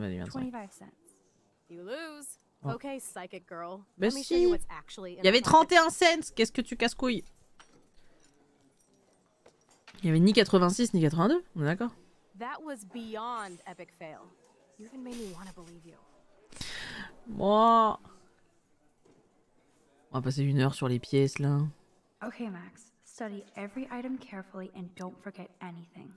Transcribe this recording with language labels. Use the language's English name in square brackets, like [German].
[English] 35. 25 cents. [French] Oh. Mais si, il y avait 31 cents. Qu'est-ce que tu casse-couilles? Il n'y avait ni 86 ni 82. On est d'accord? [English] That was beyond epic fail. You even made me want to believe you. [French] Moi, on va passer une heure sur les pièces là. [English] Ok Max, study every item carefully and don't forget anything.